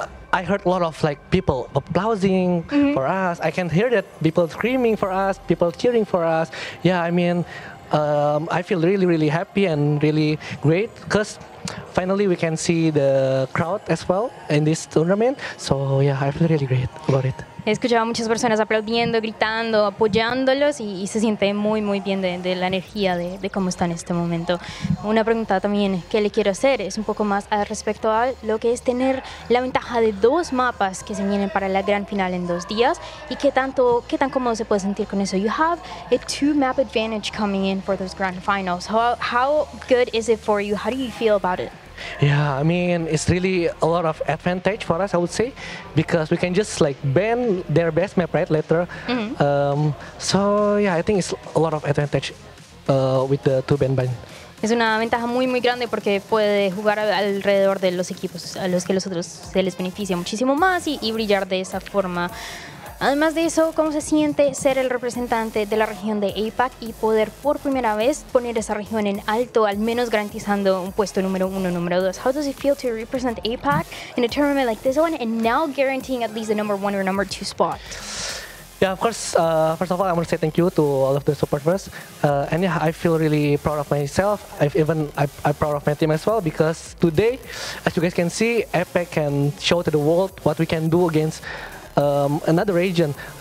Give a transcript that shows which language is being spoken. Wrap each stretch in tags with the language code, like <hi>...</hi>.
<en>I heard a lot of like people applauding mm-hmm. for us. I can hear that people screaming for us, people cheering for us. I feel really, really happy and really great because finally we can see the crowd as well in this tournament. So yeah, I feel really great about it.</en> <es>He escuchado muchas personas aplaudiendo, gritando, apoyándolos y se siente muy, muy bien de la energía de cómo está en este momento. Una pregunta también que le quiero hacer es un poco más al respecto a lo que es tener la ventaja de dos mapas que se vienen para la gran final en dos días y qué tan cómodo se puede sentir con eso.</es> <en>You have a two map advantage coming in for those grand finals. How good is it for you? How do you feel about it? Yeah, I mean, it's really a lot of advantage for us, I would say, because we can just like ban their best map right later. Mm-hmm. I think it's a lot of advantage with the two ban.</en> <es>Es una ventaja muy muy grande porque puede jugar alrededor de los equipos a los que los otros se les beneficia muchísimo más y brillar de esa forma. Además de eso, ¿cómo se siente ser el representante de la región de APAC y poder por primera vez poner esa región en alto, al menos garantizando un puesto número uno, número dos?</es> <en>How does it feel to represent APAC in a tournament like this one and now guaranteeing at least the number one or number two spot? Yeah, of course, first of all, I want to say thank you to all of the supporters. I feel really proud of myself. I'm proud of my team as well, because today, as you guys can see, APAC can show to the world what we can do against another region,</en>